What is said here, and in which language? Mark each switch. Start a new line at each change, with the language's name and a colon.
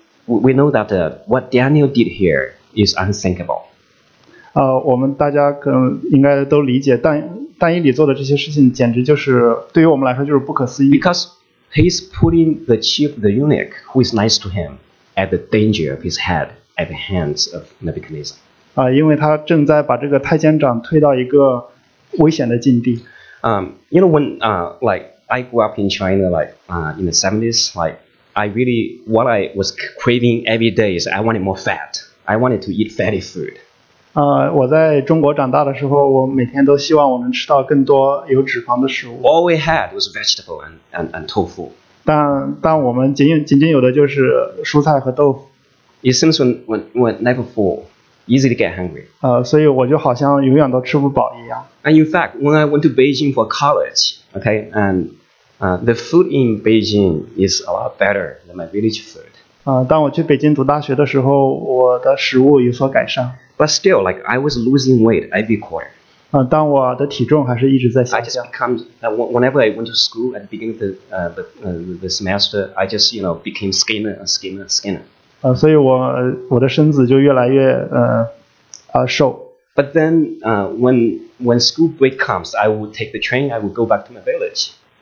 English: We know that what Daniel did here is unthinkable.
Chinese: 我们大家可能应该都理解，但以理做的这些事情简直就是对于我们来说就是不可思议。
English: Because he's putting the chief, the eunuch, who is nice to him, at the danger of his head at the hands of Nebuchadnezzar.
Chinese: 因为他正在把这个太监长推到一个危险的境地。
English: You know, when like I grew up in China, like in the 70s, like I really, what I was craving every day is I wanted more fat. I wanted to eat fatty food.
Chinese: 我在中国长大的时候，我每天都希望我能吃到更多有脂肪的食物。
English: All we had was vegetable and tofu.
Chinese: 但我们仅仅有的就是蔬菜和豆腐。
English: It seems when never full, easy to get hungry.
Chinese: 所以我就好像永远都吃不饱一样。
English: And in fact, when I went to Beijing for college, okay, and the food in Beijing is a lot better than my village food.
Chinese: 当我去北京读大学的时候，我的食物有所改善。
English: But still, like I was losing weight every quarter.
Chinese: 当我的体重还是一直在下降。
English: I just become whenever I went to school at the beginning of the semester, I just you know became skinnier and skinnier and skinnier.
Chinese: 所以我的身子就越来越瘦。
English: But then when school break comes, I would take the train. I would go back to my village.